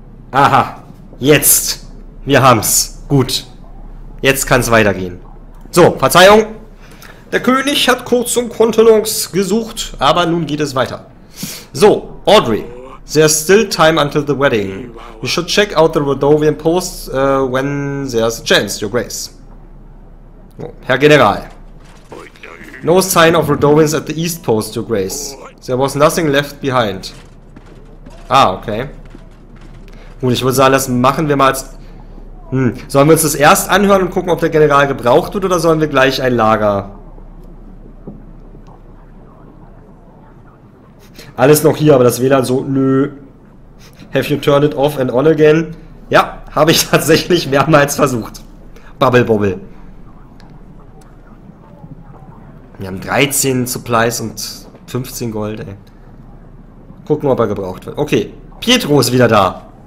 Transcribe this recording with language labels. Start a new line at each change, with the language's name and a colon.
German: Aha, jetzt. Wir haben's. Gut. Jetzt kann's weitergehen. So, Verzeihung. Der König hat kurz um Kontenance gesucht, aber nun geht es weiter.
English: So, Audrey. There's still time until the wedding. You should check out the Rodovian post when there's a chance, Your Grace.
German: Oh, Herr General.
English: No sign of Rodovians at the east post, Your Grace. There was nothing left behind. Ah, okay.
German: Gut, ich würde sagen, das machen wir mal als... Sollen wir uns das erst anhören und gucken, ob der General gebraucht wird, oder sollen wir gleich ein Lager... Alles noch hier, aber das WLAN so, nö.
English: Have you turned it off and on again?
German: Ja, habe ich tatsächlich mehrmals versucht. Bubble Bobble. Wir haben 13 Supplies und 15 Gold, ey. Gucken, ob er gebraucht wird. Okay, Pietro ist wieder da.